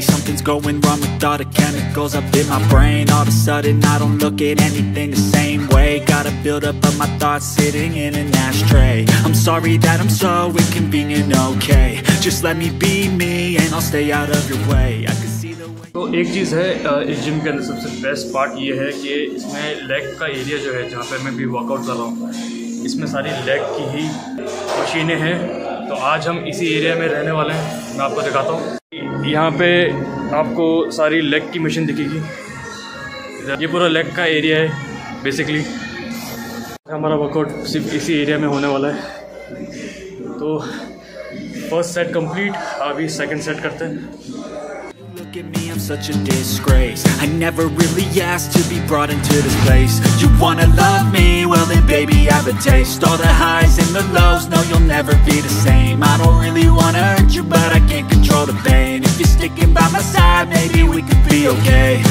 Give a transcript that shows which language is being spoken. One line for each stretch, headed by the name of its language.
English: Something's going wrong with all the chemicals up in my brain. All of a sudden I don't look at anything the same way. Gotta build up of my thoughts sitting in an ashtray. I'm sorry that I'm so inconvenient, okay. Just let me be me and I'll stay out of your way. I can see the way.
Hindi: तो एक चीज़ है इस gym के अंदर सबसे best part ये है कि इसमें लेग का एरिया जो है जहाँ पर मैं भी वर्कआउट कर रहा हूँ इसमें सारी लेग की ही मशीनें हैं. तो आज हम इसी एरिया में रहने वाले हैं, मैं आपको दिखाता हूँ. यहाँ पे आपको सारी लेग की मशीन दिखेगी. ये पूरा लेग का एरिया है बेसिकली. हमारा वर्कआउट सिर्फ इसी एरिया में होने वाला है. तो फर्स्ट सेट कंप्लीट, अभी सेकंड सेट करते हैं.
English: Look at me, I'm such a disgrace. I never really asked to be brought into this place. You wanna love me, well then baby I have a taste. All the highs and the lows, no you'll never be the same. I don't really wanna hurt you, but I can't control the pain. If you're sticking by my side, maybe we could be okay.